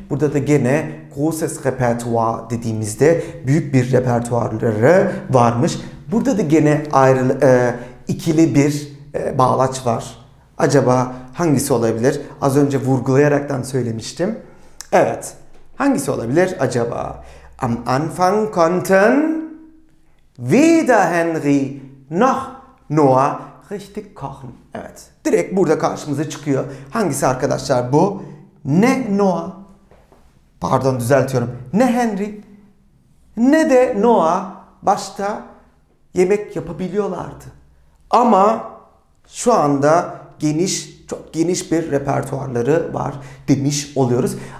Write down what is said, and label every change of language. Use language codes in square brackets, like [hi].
[tr] Burada da gene [de] großes Repertoire [tr] dediğimizde büyük bir repertuarları varmış. Burada da gene ikili bir bağlaç var. Acaba hangisi olabilir? Az önce vurgulayaraktan söylemiştim. Evet. Hangisi olabilir acaba? [de] Am Anfang konnten weder Henry noch Noah richtig kochen. [tr] Evet. Direkt burada karşımıza çıkıyor. Hangisi arkadaşlar bu? Ne Noah? Pardon, düzeltiyorum. Ne Henry? Ne de Noah başta yemek yapabiliyorlardı. Ama şu anda geniş, çok geniş bir repertuarları var demiş oluyoruz.